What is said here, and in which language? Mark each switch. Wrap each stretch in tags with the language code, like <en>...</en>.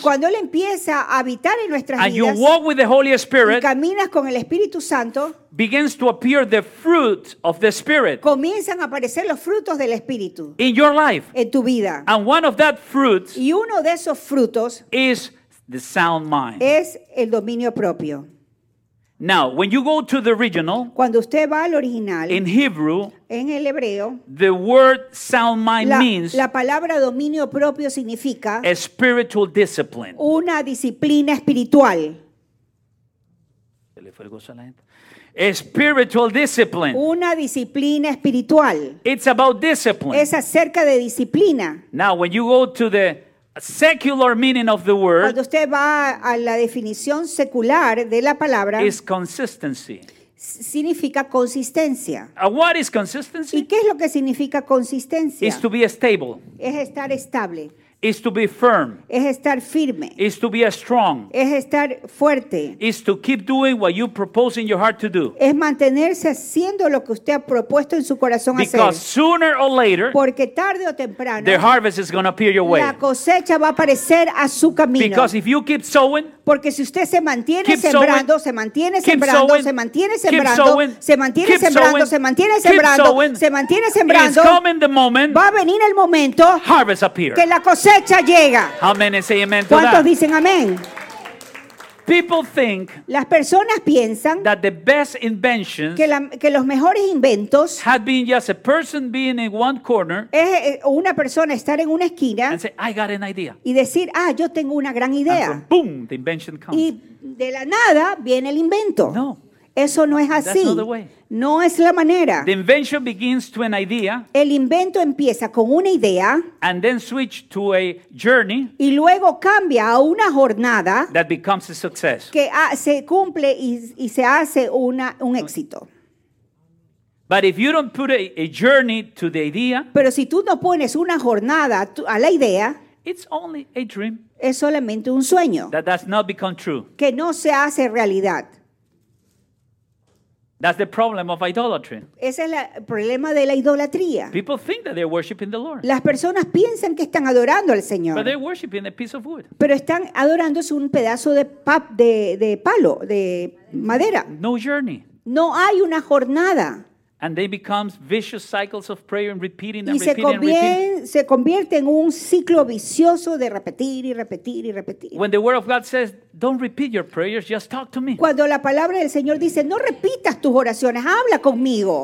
<es>y cuando él empieza a habitar en nuestras</es> <en>and</en> <es>vidas,</es> <en>you walk with the Holy Spirit,</en> <es>y caminas con el Espíritu Santo,</es> <en>begins to appear the fruit of the Spirit.</en> <es>Comienzan a aparecer los frutos del Espíritu.</es> <en>In your life.</en> <es>En tu vida.</es> <en>And one of that fruit.</en> <es>Y uno de esos frutos.</es> <en>Is the sound mind.</en> <es>Es el dominio propio.</es> <en>Now, when you go to the original.</en> <es>Cuando usted va al original.</es> <en>In Hebrew.</en> <es>En el hebreo.</es> <en>The word sound mind means.</en> <es>La palabra dominio propio significa.</es> <en>A spiritual discipline.</en> <es>Una disciplina espiritual. ¿Se le fue el gozo a la gente?</es> <en>A spiritual discipline.</en> <es>Una disciplina espiritual.</es> <en>It's about discipline.</en> <es>Es acerca de disciplina.</es> <en>Now, when you go to the secular meaning of the word,</en> <es>cuando usted va a la definición secular de la palabra,</es> <en>is consistency.</en> <es>Significa consistencia.</es> <en>What is consistency?</en> <es>¿Y qué es lo que significa consistencia?</es> <en>Is to be stable.</en> <es>Es estar estable.</es> <en>Is to be firm.</en> <es>Es estar firme.</es> <en>Is to be strong.</en> <es>Es estar fuerte.</es> <en>Is to keep doing what you propose in your heart to do.</en> <es>Es mantenerse haciendo lo que usted ha propuesto en su corazón</es> <en>because</en> <es>hacer.</es> <en>Because sooner or later,</en> <es>porque tarde o temprano,</es> <en>the harvest is going to appear your way.</en> <es>La cosecha va a aparecer a su camino.</es> <en>Because if you keep sowing,</en> <es>porque si usted se mantiene sembrando,</es> <en>sowing,</en> <es>se mantiene sembrando,</es> <en>sowing,</en> <es>se mantiene sembrando, se mantiene sembrando,</es> <en>sowing,</en> <es>se mantiene sembrando, se mantiene sembrando,</es> <en>it's coming the moment,</en> <es>va a venir el momento,</es> <en>harvest appear,</en> <es>que la cosecha llega.</es> <en>How many say amen to</en> <es>¿cuántos</es> <en>that?</en> <es>Dicen amén?</es> <en>People think</en> <es>las personas piensan</es> <en>that the best inventions</en> <es>que los mejores inventos</es> <en>had been just a person being in one corner</en> <es>es una persona estar en una esquina</es> <en>and say, I got an idea.</en> <es>Y decir, ah, yo tengo una gran idea.</es> <en>And from, boom, the invention comes.</en> <es>Y de la nada viene el invento.</es> <en>No.</en> <es>Eso no es así.</es> <en>That's not the way.</en> <es>No es la manera.</es> <en>The invention begins to an idea.</en> <es>El invento empieza con una idea.</es> <en>And then switch to a journey.</en> <es>Y luego cambia a una jornada.</es> <en>That becomes a success.</en> <es>Que se cumple y se hace un éxito.</es> <en>But if you don't put a journey to the idea.</en> <es>Pero si tú no pones una jornada a la idea.</es> <en>It's only a dream.</en> <es>Es solamente un sueño.</es> <en>That does not become true.</en> <es>Que no se hace realidad.</es> <en>That's the problem of idolatry.</en> <es>Ese es el problema de la idolatría.</es> <en>People think that they're worshiping the Lord.</en> <es>Las personas piensan que están adorando al Señor.</es> <en>But they're worshiping a piece of wood.</en> <es>Pero están adorando un pedazo de palo, de madera.</es> <en>No journey.</en> <es>No hay una jornada.</es> <en>And they become vicious cycles of prayer and repeating and repeating and repeating.</en> <es>Y se convierte en un ciclo vicioso de repetir y repetir y repetir.</es> <en>When the word of God says, don't repeat your prayers, just talk to me.</en> <es>Cuando la palabra del Señor dice, no repitas tus oraciones, habla conmigo.</es>